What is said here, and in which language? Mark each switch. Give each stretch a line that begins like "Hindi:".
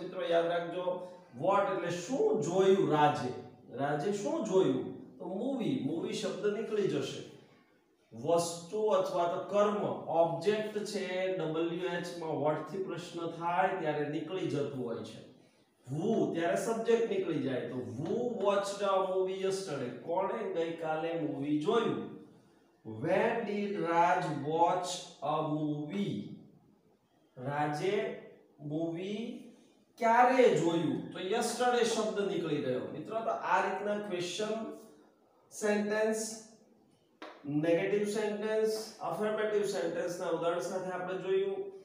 Gujarati: મિત્રો યાદ રાખજો, વોટ એટલે શું જોયું રાજે, રાજે શું જોયું તો મૂવી, મૂવી શબ્દ નીકળી જશે, વસ્તુ અથવા તો કર્મ, ઓબ્જેક્ટ છે. WH માં વોટ થી પ્રશ્ન થાય ત્યારે નીકળી જતું હોય છે, વુ ત્યારે સબ્જેક્ટ નીકળી જાય, તો
English: who watched a movie yesterday,
Gujarati: કોણે ગઈકાલે મૂવી જોયું.
English: When did Raj watch a movie?
Gujarati: Raje movie ક્યારે જોયું, તો યસ્ટરડે શબ્દ નીકળી ગયો. મિત્રો, તો આ રીતના question sentence, negative sentence, affirmative સેન્ટેન્સના ઉદાહરણ સાથે આપણે જોયું.